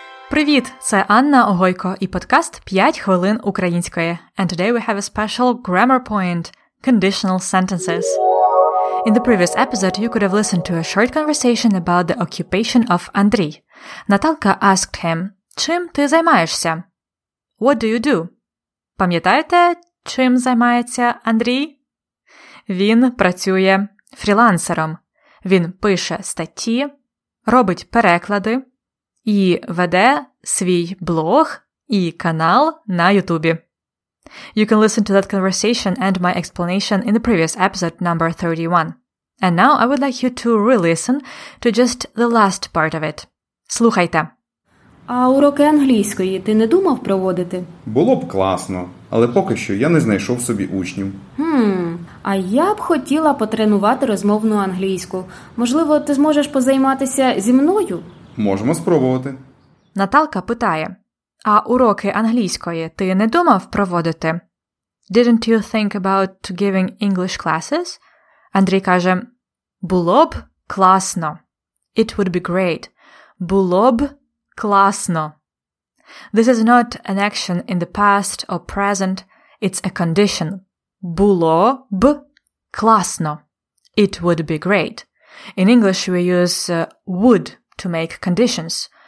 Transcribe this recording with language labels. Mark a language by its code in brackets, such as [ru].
[uk] Привіт, це Анна Огойко і подкаст 5 хвилин української. [en] And today we have a special grammar point. Conditional sentences. In the previous episode, you could have listened to a short conversation about the occupation of Андрій. Наталка asked him, [uk] чим ти займаєшся? [en] What do you do? [uk] Пам'ятаєте, чим займається Андрій? Він працює фрілансером. Він пише статті, робить переклади і веде свій блог і канал на Ютубі. [en] You can listen to that conversation and my explanation in the previous episode number 31. And now I would like you to re-listen to just the last part of it. [uk] Слухайте. А уроки англійської ти не думав проводити? Було б класно, але поки що я не знайшов собі учнів. А я б хотіла потренувати розмовну англійську. Можливо, ти зможеш позайматися зі мною? Можемо спробувати. Наталка питає. А уроки англійської ти не думав проводити? [en] Didn't you think about giving English classes? [uk] Андрій каже, було б класно. [en] It would be great. [uk] Було б класно. [en] This is not an action in the past or present. It's a condition. [uk] Було б класно. [en] It would be great. In English we use would to make conditions.